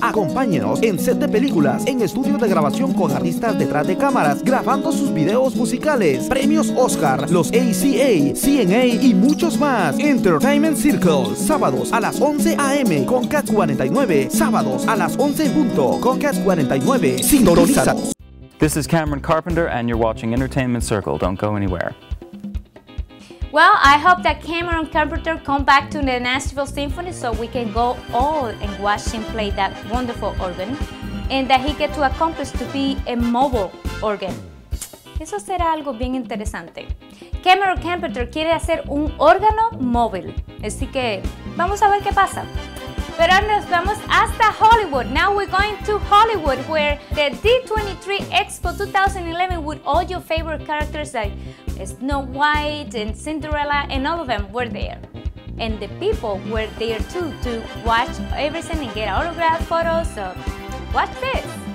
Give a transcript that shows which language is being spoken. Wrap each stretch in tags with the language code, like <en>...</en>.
<es>Acompáñenos en set de películas, en estudio de grabación con artistas detrás de cámaras, grabando sus videos musicales, premios Oscar, los ACA, CNA y muchos más. Entertainment Circle, sábados a las 11 a.m. con Cat 49, sábados a las 11 en punto con Cat 49. Sintonízate.</es> <en>This is Cameron Carpenter, and you're watching Entertainment Circle. Don't go anywhere. Well, I hope that Cameron Carpenter come back to the Nashville Symphony so we can go all and watch him play that wonderful organ, and that he get to accomplish to be a mobile organ.</en> <es>Eso será algo bien interesante. Cameron Carpenter quiere hacer un órgano móvil, así que vamos a ver qué pasa. Pero nos vamos hasta Hollywood.</es> <en>Now we're going to Hollywood, where the D23 Expo 2011 with all your favorite characters like Snow White and Cinderella and all of them were there. And the people were there too to watch everything and get autographs, photos, so watch this.</en>